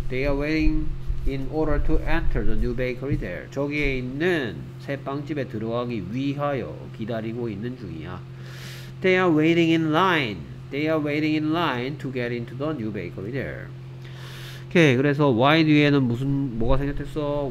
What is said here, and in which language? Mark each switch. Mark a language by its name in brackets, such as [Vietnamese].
[English] They are waiting in order to enter the new bakery there. [Korean] 저기에 있는 새 빵집에 들어가기 위하여 기다리고 있는 중이야. [English] They are waiting in line. They are waiting in line to get into the new bakery there. [Korean] 오케이. 그래서 why 뒤에는 무슨 뭐가 생겼댔어?